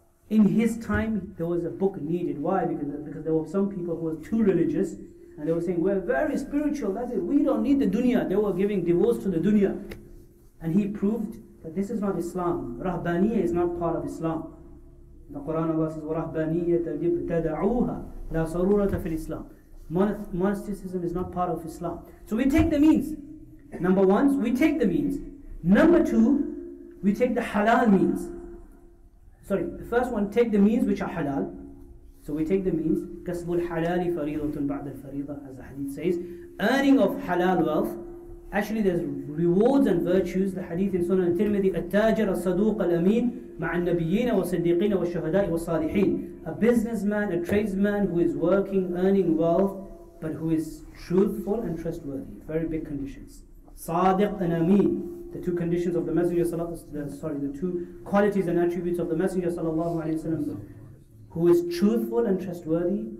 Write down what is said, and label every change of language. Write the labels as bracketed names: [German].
[English] In his time, there was a book needed. Why? Because there were some people who were too religious, and they were saying, we're very spiritual, that's it, we don't need the dunya. They were giving divorce to the dunya. And he proved But this is not Islam. Rahbaniyya is not part of Islam. The Quran Allah says, [Arabic] وَرَهْبَانِيَّةَ لِبْتَدَعُوهَا لَا صَرُورَةَ فِي الْإِسْلَامِ. [English] Monasticism is not part of Islam. So we take the means. Number one, we take the means. Number two, we take the halal means. Sorry, the first one, take the means which are halal. So we take the means. [Arabic] كَسْبُ الْحَلَالِ فَرِيضَةٌ بَعْدَ الْفَرِيضَةِ, [English] as the hadith says. Earning of halal wealth. Actually, there's rewards and virtues. The hadith in Sunan al-Tirmidhi, [Arabic] التاجر الصدوق الأمين مع النبيين والصديقين والشهداء والصالحين. [English] A businessman, a tradesman who is working, earning wealth, but who is truthful and trustworthy. Very big conditions. [Arabic] صادق الأمين. [English] The two conditions of the Messenger the two qualities and attributes of the Messenger sallallahu alaihi wasallam, who is truthful and trustworthy.